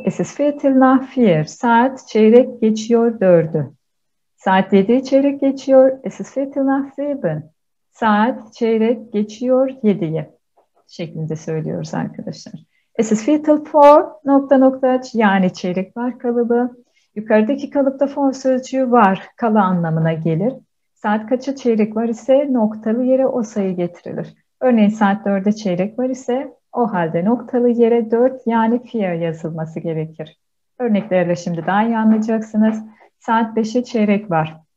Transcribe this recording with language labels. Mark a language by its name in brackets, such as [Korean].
[German] Es ist Viertel nach vier. [Turkish] Saat çeyrek geçiyor 4'ü. Saat 7'yi çeyrek geçiyor. [German] Es ist Viertel nach sieben. [Turkish] Saat çeyrek geçiyor 7'yi. Şeklinde söylüyoruz arkadaşlar. [German] Es ist Viertel vor [Turkish] nokta nokta, yani çeyrek var kalıbı. Yukarıdaki kalıpta for sözcüğü var, kala anlamına gelir. Saat kaça çeyrek var ise noktalı yere o sayı getirilir. Örneğin saat 4'e çeyrek var ise o halde noktalı yere 4, yani fia yazılması gerekir. Örneklerle şimdi daha iyi anlayacaksınız. Saat 5'e çeyrek var.